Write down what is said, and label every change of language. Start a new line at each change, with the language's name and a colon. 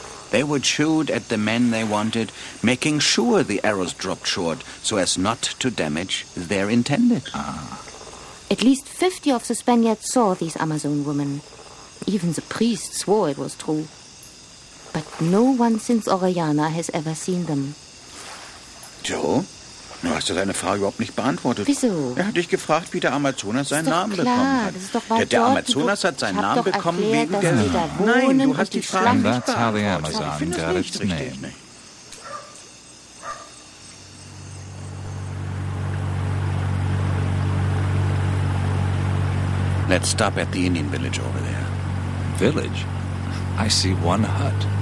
English: They would shoot at the men they wanted, making sure the arrows dropped short so as not to damage their intended. Ah. At least 50 of the Spaniards saw these Amazon women. Even the priests swore it was true. But no one since Orellana has ever seen them. Joe?
German: Du hast ja deine Frage überhaupt nicht beantwortet. Wieso? Er hat dich gefragt, wie der Amazonas seinen Namen bekommen hat. Der Amazonas hat seinen Namen bekommen wegen der... Nein, du hast die Frage nicht beantwortet.
English: That's how the Amazon got its name. Let's stop at the Indian village over there. Village? I see one hut.